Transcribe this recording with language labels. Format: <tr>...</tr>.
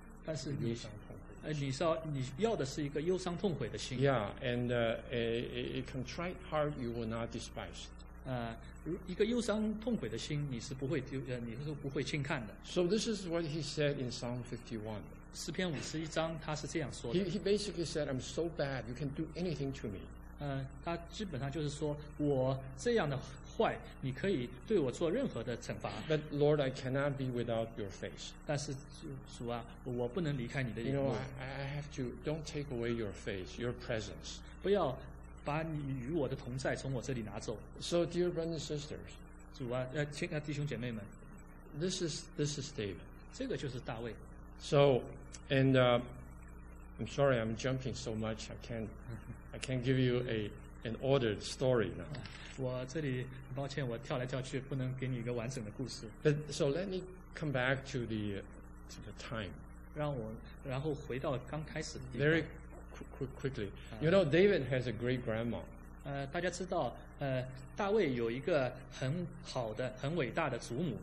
<zh>但是你你说你要的是一个忧伤痛悔的心。</zh> <en>Yeah, and a contrite heart you will not despise.</en> <zh>一个忧伤痛悔的心，你是不会你是不会轻看的。</zh> <en>So this is what he said in Psalm 51.</en> <zh>诗篇五十一章，他是这样说的。</zh> <en>He basically said, "I'm so bad, you can do anything to me."</en> <zh>他基本上就是说我这样的坏，你可以对我做任何的惩罚。</zh> <en>But Lord, I cannot be without your face.</en> <zh>但是主啊，我不能离开你的荣耀。</zh> <en>You know, I have to don't take away your face, your presence.</en> <zh>不要把你与我的同在从我这里拿走。</zh> <en>So dear brothers and sisters,</en> <zh>主啊，亲爱弟兄姐妹们</zh> <en>，This is David.</en> <zh>这个就是大卫。</zh> <en>So, and I'm sorry, I'm jumping so much. I can't give you an ordered story now.</en> <zh>我这里很抱歉，我跳来跳去，不能给你一个完整的故事。</zh> <en>But so let me come back to the time.</en> <zh>让我然后回到刚开始的地方。</zh> <en>Very quickly, you know, David has a great grandma.</en> <zh>大家知道，大卫有一个很好的、很伟大的祖母，</zh>